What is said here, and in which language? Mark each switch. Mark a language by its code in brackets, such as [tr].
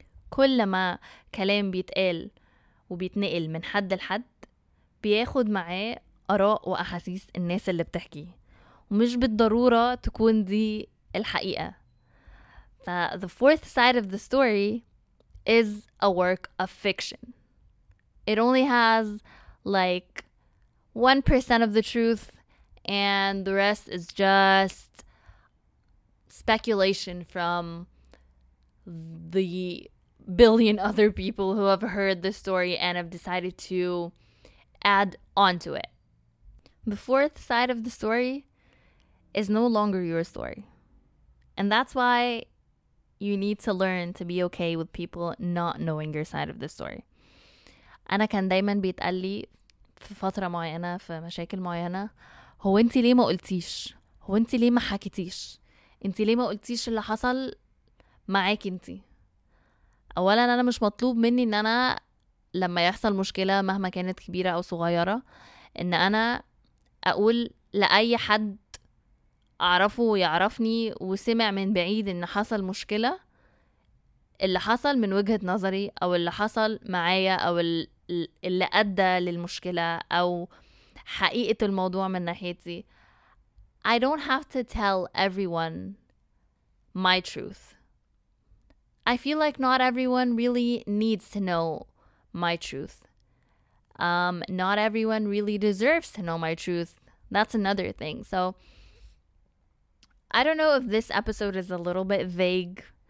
[ar] كل ما كلام بيتقال وبيتنقل من حد لحد بياخد معاه آراء وأحاسيس الناس اللي بتحكي، ومش بالضرورة تكون دي الحقيقة. [en] The fourth side of the story is a work of fiction. It only has like 1% of the truth and the rest is just speculation from the billion other people who have heard the story and have decided to add on to it. The fourth side of the story is no longer your story. And that's why you need to learn to be okay with people not knowing your side of the story. [ar] أنا كان دايما بيتقال لي في فترة معينة في مشاكل معينة، هو انت ليه ما قلتيش؟ هو انت ليه ما حكيتيش؟ انت ليه ما قلتيش اللي حصل معاك انت؟ أولا أنا مش مطلوب مني ان أنا لما يحصل مشكلة مهما كانت كبيرة أو صغيرة إن أنا أقول لأي حد أعرفه ويعرفني وسمع من بعيد إن حصل مشكلة اللي حصل من وجهة نظري أو اللي حصل معايا أو اللي أدى للمشكلة أو حقيقة الموضوع من ناحيتي. [en] I don't have to tell everyone my truth. I feel like not everyone really needs to know my truth. Not everyone really deserves to know my truth. That's another thing. So I don't know if this episode is a little bit vague.